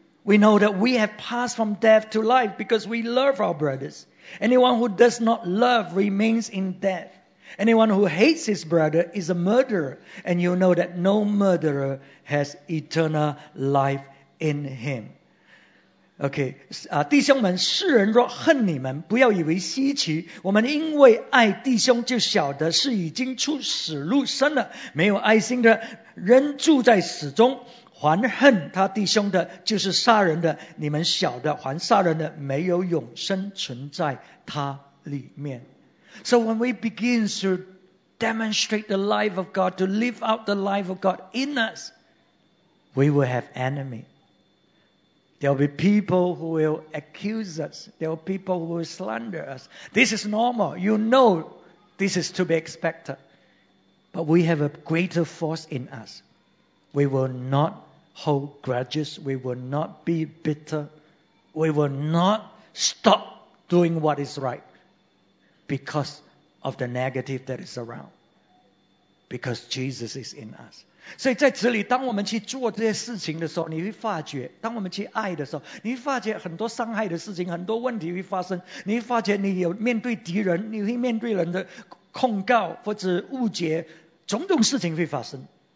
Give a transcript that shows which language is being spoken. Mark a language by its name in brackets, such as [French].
[English] We know that we have passed from death to life because we love our brothers. Anyone who does not love remains in death. Anyone who hates his brother is a murderer, and you know that no murderer has eternal life in him. [Chinese] OK， 弟兄们，世人若恨你们，不要以为稀奇。我们因为爱弟兄，就晓得是已经出死入生了。没有爱心的人住在死中，还恨他弟兄的，就是杀人的。你们晓得，还杀人的没有永生存在他里面。 [English] So when we begin to demonstrate the life of God, to live out the life of God in us, we will have enemy. There will be people who will accuse us. There will be people who will slander us. This is normal. You know this is to be expected. But we have a greater force in us. We will not hold grudges. We will not be bitter. We will not stop doing what is right. Because of the negative that is around. Because Jesus is in us. [Chinese] 所以在这里，当我们去做这些事情的时候，你会发觉，当我们去爱的时候，你会发觉很多伤害的事情，很多问题会发生。你会发觉你有面对敌人，你会面对人的控告或者误解，种种事情会发生。